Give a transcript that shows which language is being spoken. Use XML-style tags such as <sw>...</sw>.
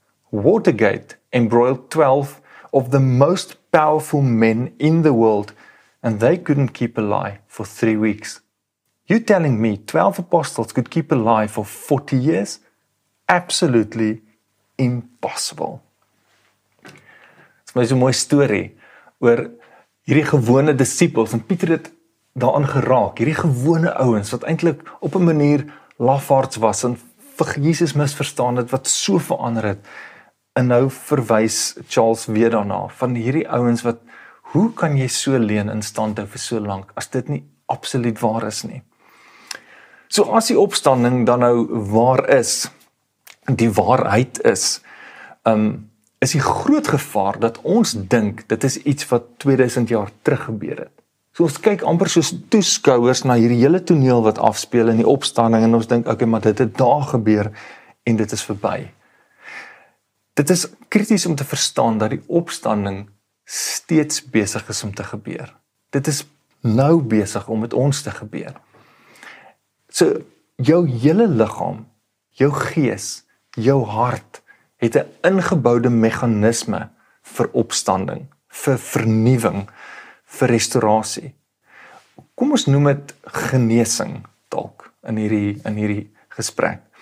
<en>Watergate embroiled 12 of the most powerful men in the world, and they couldn't keep a lie for 3 weeks. You're telling me 12 apostles could keep a lie for 40 years? Absolutely impossible."</en> <af>Dit is my so mooi storie oor hierdie gewone disippels, en Pieter het daaraan geraak, hierdie gewone ouens wat eintlik op 'n manier lafaards was en vir Jesus misverstaan het, wat so verander het. En nou verwys Charles weer daarna, van hierdie ouens wat, hoe kan jy so leen in stand hou vir so lank, as dit nie absoluut waar is nie? So as die opstanding dan nou waar is, die waarheid is, is die groot gevaar dat ons dink dit is iets wat 2000 jaar terug gebeur het. So ons kyk amper soos toeskouers na hierdie hele toneel wat afspeel in die opstanding en ons dink, okay, maar dit het daar gebeur en dit is verby. Dit is krities om te verstaan dat die opstanding steeds besig is om te gebeur. Dit is nou besig om met ons te gebeur. So jou hele liggaam, jou gees, jou hart het 'n ingeboude meganisme vir opstanding, vir vernuwing, vir restaurasie. Kom ons noem dit genesing dalk in hierdie gesprek.</af>